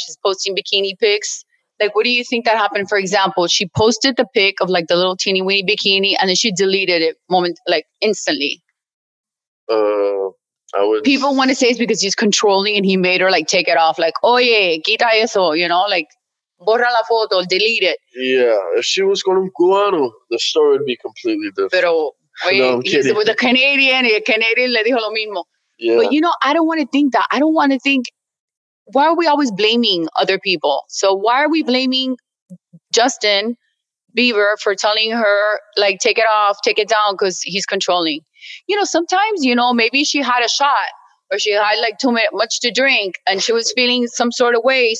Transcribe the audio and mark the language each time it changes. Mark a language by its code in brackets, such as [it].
[en] She's posting bikini pics. Like, what do you think that happened? For example, she posted the pic of like the little teeny weeny bikini and then she deleted it instantly. People want to say it's because he's controlling and he made her like take it off. Like, [es] oye, quita eso, [en] you know, like, [es] borra la foto, [en] delete it. Yeah, if she was going to Cubano, the story would be completely different. With a Canadian [es] le dijo lo mismo. [en] Yeah. But you know, I don't want to think that. I don't want to think, why are we always blaming other people? So why are we blaming Justin Bieber for telling her, like, take it off, take it down, because he's controlling? You know, sometimes, you know, maybe she had a shot or she had like too much to drink and she was feeling some sort of way.